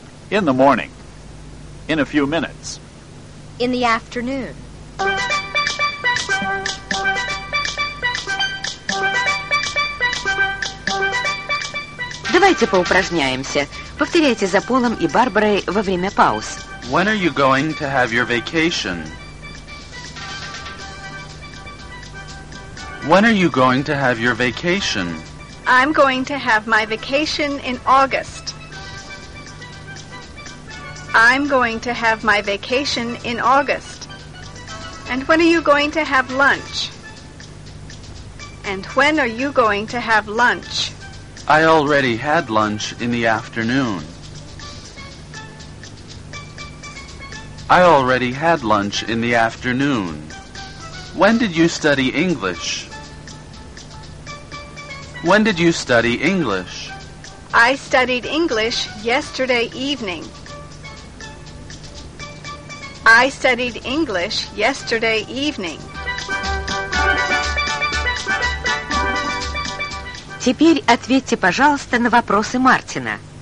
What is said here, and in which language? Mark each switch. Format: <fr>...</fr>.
<en>In the morning. In a few minutes. In the afternoon.</en> <ru>Давайте поупражняемся. Повторяйте за Полом и Барбарой во время пауз.</ru> <en>When are you going to have your vacation? When are you going to have your vacation? I'm going to have my vacation in August. I'm going to have my vacation in August. And when are you going to have lunch? And when are you going to have lunch? I already had lunch in the afternoon. I already had lunch in the afternoon. When did you study English? When did you study English? I studied English yesterday evening. I studied English yesterday evening.</en> <ru>Теперь ответьте, пожалуйста, на вопросы Мартина.</ru>